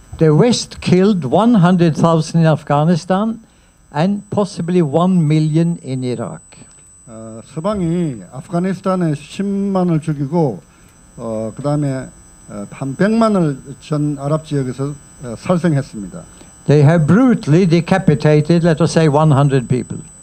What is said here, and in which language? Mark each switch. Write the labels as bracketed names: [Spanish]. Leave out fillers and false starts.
[English] The West killed 100,000 in Afghanistan and possibly 1 million in Iraq. [Korean] 서방이 아프가니스탄에 10만을 죽이고 그 다음에 한 100만을 전 아랍 지역에서 살생했습니다. [English] They have brutally decapitated, let us say, 100 people.